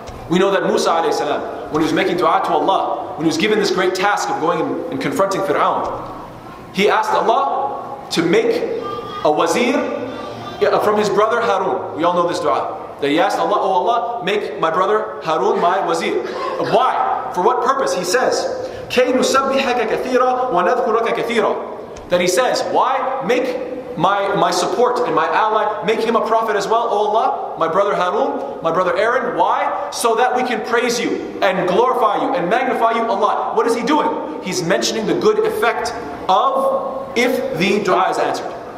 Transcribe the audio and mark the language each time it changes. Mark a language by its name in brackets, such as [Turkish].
[English] We know that Musa alayhi salam, when he was making dua to Allah, when he was given this great task of going and confronting Fir'aun, he asked Allah to make a wazir from his brother Harun. We all know this dua. That he asked Allah, oh Allah, make my brother Harun my wazir. Why? For what purpose? He says, [Arabic] كَيْ نُسَبِّحَكَ كَثِيرًا وَنَذْكُرَكَ كَثِيرًا. [English] That he says, why? Make my support and my ally, make him a prophet as well, oh Allah, my brother Harun, my brother Aaron. Why? So that we can praise you and glorify you and magnify you a lot. What is he doing? He's mentioning the good effect of if the dua is answered.